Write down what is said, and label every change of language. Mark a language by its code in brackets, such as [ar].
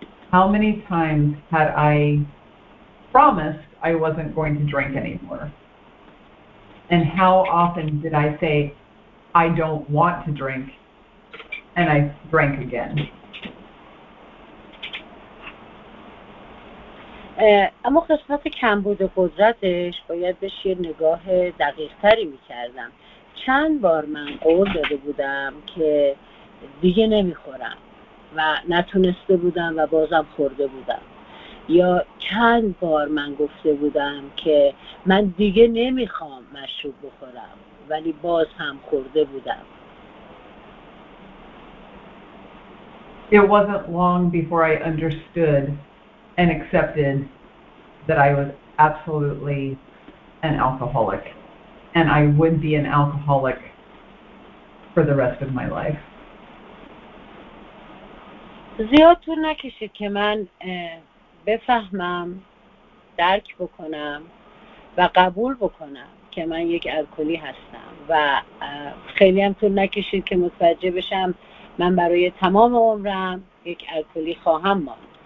[en] How many times had I promised I wasn't going to drink anymore? And how often did I say, I don't want to drink, and I drank again? [fa] اما قسمت کمبود قدرتش باید بهش یه نگاه دقیق‌تری می‌کردم. چند بار من قول داده بودم که دیگه نمی‌خورم و نتونسته بودم و بازم خورده بودم، یا چند بار من گفته بودم که من دیگه نمی‌خوام مشروب بخورم ولی باز هم خورده بودم. [en] It wasn't long before I understood and accepted that I was absolutely an alcoholic and I would be an alcoholic for the rest of my life. [fa] زیاد طول نکشید که من بفهمم، درک بکنم و قبول بکنم که من یک الکلی هستم، و خیلی هم طول نکشید که متوجه بشم من برای تمام عمرم یک الکلی خواهم ماند.